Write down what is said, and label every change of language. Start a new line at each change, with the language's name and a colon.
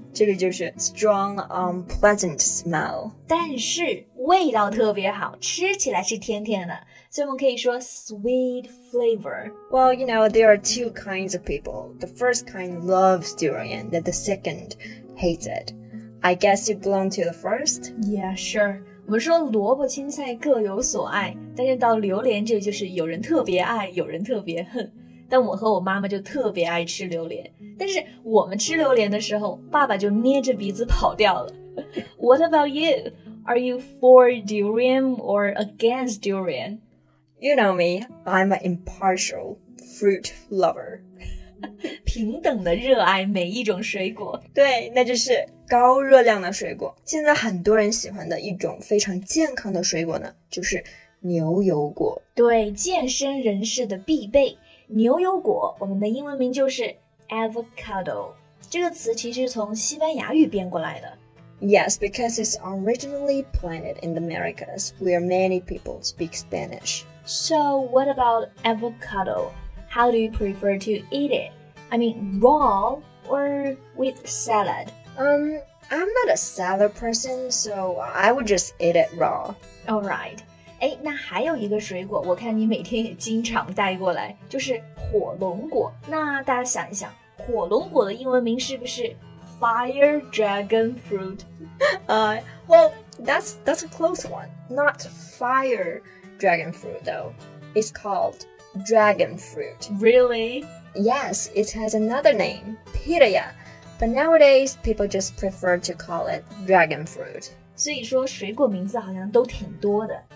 Chinese: 这个就是
English: strong, unpleasant smell.
Chinese: 但是味道特别好，吃起来是甜甜的，所以我们可以说
English: sweet flavor. Well, you know, there are two kinds of people. The first kind loves durian, then the second hates it. I guess you belong to the first. Yeah, sure.
Chinese: 我们说萝卜青菜各有所爱，但是到榴莲这就是有人特别爱，有人特别恨。但我和我妈妈就特别爱吃榴莲，但是我们吃榴莲的时候，爸爸就捏着鼻子跑掉了。
English: What about you? Are you for durian or against durian? You know me, I'm an impartial fruit lover.
Chinese: 平等的热爱每一种水果。对，那就是高热量的水果。现在很多人喜欢的一种非常健康的水果呢，就是牛油果。对，健身人士的必备。牛油果，我们的英文名就是 avocado. 这个词其实从西班牙语变过来的。
English: Yes, because it's originally planted in the Americas, where many people speak Spanish. So what about avocado? How do you prefer to eat it? I mean, raw or with salad? I'm not a salad person, so I would just eat it raw. All right.
Chinese: 哎，那还有一个水果，我看你每天也经常带过来，就是火龙果。那大家想一想，火龙果的英文名是不是 Fire Dragon Fruit?
English: Well, that's a close one. Not Fire Dragon Fruit, though. It's called Dragon Fruit. Really? Yes, it has another name, Pitaya. But nowadays, people just prefer to call it Dragon Fruit.
Chinese: 所以说水果名字好像都挺多的。